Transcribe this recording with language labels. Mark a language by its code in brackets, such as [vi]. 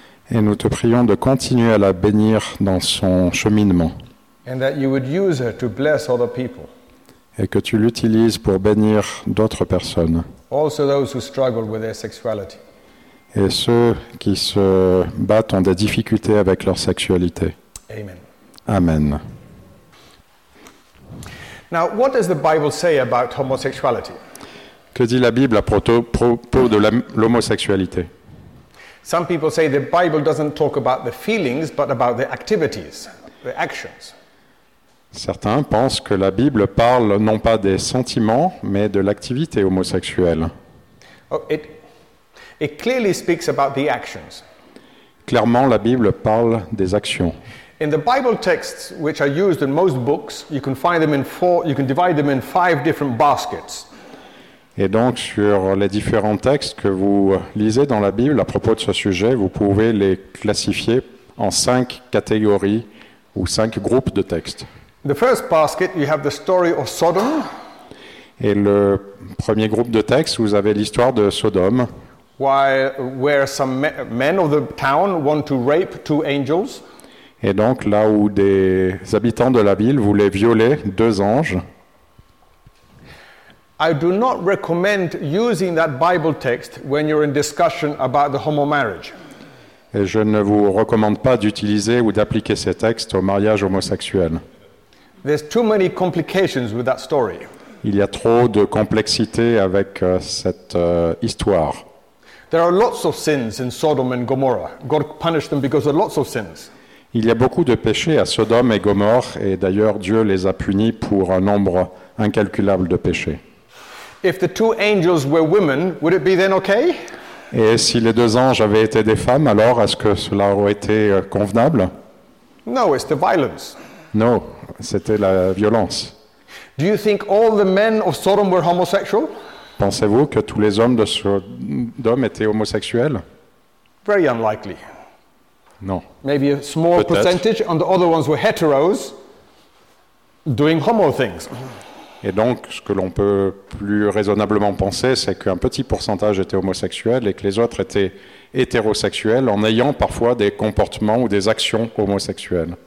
[fr] Et nous te prions de continuer à la bénir dans son cheminement. [en] And that you would use her to bless other people. [fr] Et que tu l'utilises pour bénir d'autres personnes. [en] Also those who struggle with their sexuality. [fr] Et ceux qui se battent ont des difficultés avec leur sexualité. [en] Amen. [fr] Amen. [en] Now, what does the Bible say about homosexuality? [fr] Que dit la Bible à propos de l'homosexualité? [en] Some people say the Bible doesn't talk about the feelings, but about the activities, the actions. [fr] Certains pensent que la Bible parle non pas des sentiments, mais de l'activité homosexuelle. [en] Oh, it clearly speaks about the actions. [fr] Clairement, la Bible parle des actions. [en] In the Bible texts which are used in most books, you can find them in four, you can divide them in five different baskets. [fr] Et donc sur les différents textes que vous lisez dans la Bible à propos de ce sujet, vous pouvez les classifier en cinq catégories ou cinq groupes de textes. [en] The first basket, you have the story of Sodom. [fr] Et le premier groupe de textes, vous avez l'histoire de Sodome. [en] Where some men of the town want to rape two angels. [fr] Et donc là où des habitants de la ville voulaient violer deux anges. [en] I do not recommend using that Bible text when you're in discussion about the homo marriage. [fr] Et je ne vous recommande pas d'utiliser ou d'appliquer ces textes au mariage homosexuel. [en] There's too many complications with that story. [fr] Il y a trop de complexité avec cette histoire. [en] There are lots of sins in Sodom and Gomorrah. God punished them because of lots of sins. [fr] Il y a beaucoup de péchés à Sodome et Gomorrhe, et d'ailleurs Dieu les a punis pour un nombre incalculable de péchés. [en] If the two angels were women, would it be then okay? [fr] Et si les deux anges avaient été des femmes, alors est-ce que cela aurait été convenable? [en] No, it's the violence. [fr] Non, c'était la violence. [en] Do you think all the men of Sodom were homosexual? [fr] Pensez-vous que tous les hommes de Sodome étaient homosexuels? [en] Very unlikely. [fr] Non. [en] Maybe a small [fr] Peut-être. [en] Percentage, and the other ones were heteros doing homo things. [fr] Et donc, ce que l'on peut plus raisonnablement penser, c'est qu'un petit pourcentage était homosexuel et que les autres étaient hétérosexuels en ayant parfois des comportements ou des actions homosexuelles.